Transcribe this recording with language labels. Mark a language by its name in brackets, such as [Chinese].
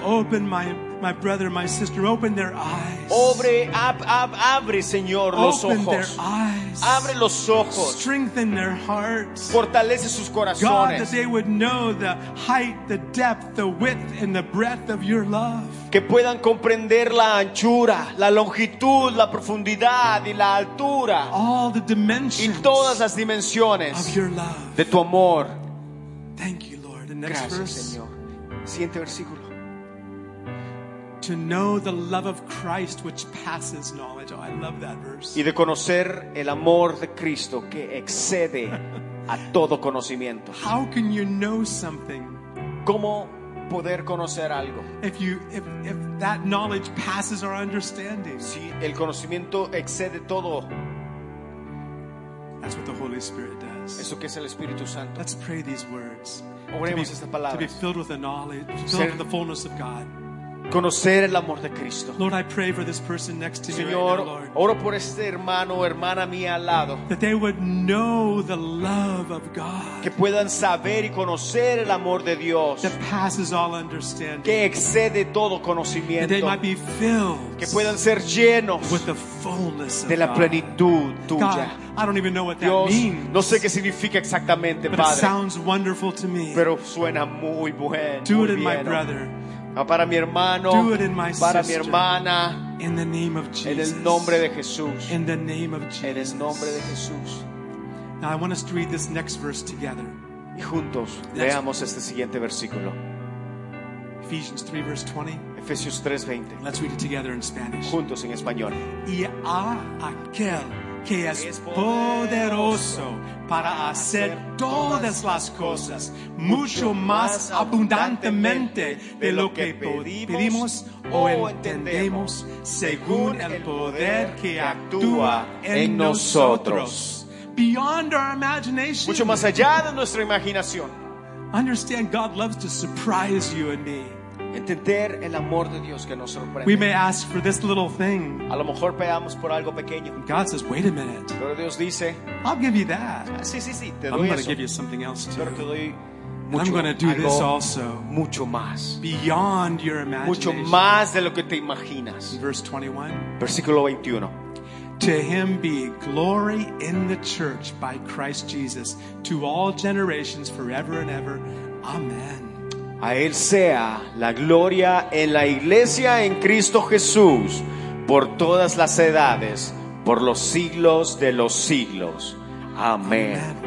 [English] Open my brother, my sister, open their eyes. [Spanish] Abre, Señor, los [English] open [Spanish] ojos. [English] Their eyes. [Spanish] Abre los ojos. [English] Strengthen their hearts. [Spanish] Fortalece sus corazones. [English] God, that they would know the height, the depth, the width, and the breadth of your love. [Spanish] Que puedan comprender la anchura, la longitud, la profundidad y la altura. [English] All the dimensions. [Spanish] Y todas las dimensiones [English] of your love. [Spanish] De tu amor. [English] Thank you, Lord. The next [Spanish] gracias, [English] verse. [Spanish] Señor. Siguiente versículo. [English] To know the love of Christ which passes knowledge. Oh, I love that verse. [Spanish] Y de conocer el amor de Cristo que excede a todo conocimiento. [English] How can you know something? [Spanish] ¿Cómo poder conocer algo? [English] If that knowledge passes our understanding. [Spanish] Si el conocimiento excede todo. [English] That's what the Holy Spirit does. [Spanish] Eso que es el Espíritu Santo. [English] Let's pray these words. [Spanish] Oremos estas palabras. [English] To be filled with the knowledge, filled with the fullness of God. [Spanish] Conocer el amor de Cristo. [English] Lord, I pray for this person next to you. [Spanish] Señor, [English] right now, Lord, [Spanish] oro por este hermano o hermana mía al lado. [English] That they would know the love of God. [Spanish] Que puedan saber y conocer el amor de Dios. [English] That passes all understanding. [Spanish] Que excede todo conocimiento. [English] That they might be filled. [Spanish] Que puedan ser llenos. [English] With the fullness of [Spanish] de la plenitud [English] God. [Spanish] Tuya. [English] God, I don't even know what [Spanish] Dios, [English] that means. [Spanish] No sé qué significa exactamente, [English] but [Spanish] Padre. [English] But it sounds wonderful to me. [Spanish] Pero suena muy bueno. [English] Do it in [Spanish] bien, [English] my brother. [Spanish] Para mi hermano, [English] do it in my [Spanish] para [English] sister, [Spanish] mi hermana, [English] in the name of Jesus, [Spanish] en el nombre de Jesús, [English] in the name of Jesus, [Spanish] en el nombre de Jesús. [English] Now I want us to read this next verse together. [Spanish] Y juntos leamos este siguiente versículo. [English] Ephesians 3 verse 20. [Spanish] Efesios 3:20. [English] Let's read it together in Spanish. Juntos en español. [Spanish] Y a aquel que es poderoso para hacer todas las cosas mucho más abundantemente de lo que pedimos o entendemos según el poder que actúa en nosotros. [English] Beyond our imagination. [Spanish] Mucho más allá de nuestra imaginación. [English] Understand, God loves to surprise you and me. [Spanish] Entender el amor de Dios que nos sorprende. [English] We may ask for this little thing. [Spanish] A lo mejor pedamos por algo pequeño. [English] God says, wait a minute. [Spanish] Pero Dios dice, [English] I'll give you that. [Spanish] Sí, te [English] I'm [Spanish] doy [English] gonna [Spanish] eso. [English] Give you something else too. [Spanish] Pero te doy mucho, [English] I'm gonna do this also. [Spanish] Mucho más. [English] Beyond your imagination. [Spanish] Mucho más de lo que te imaginas. [English] Verse 21. [Spanish] Versículo 21. [English] To him be glory in the church by Christ Jesus to all generations forever and ever. Amen. [Spanish] A él sea la gloria en la iglesia en Cristo Jesús por todas las edades, por los siglos de los siglos. Amén.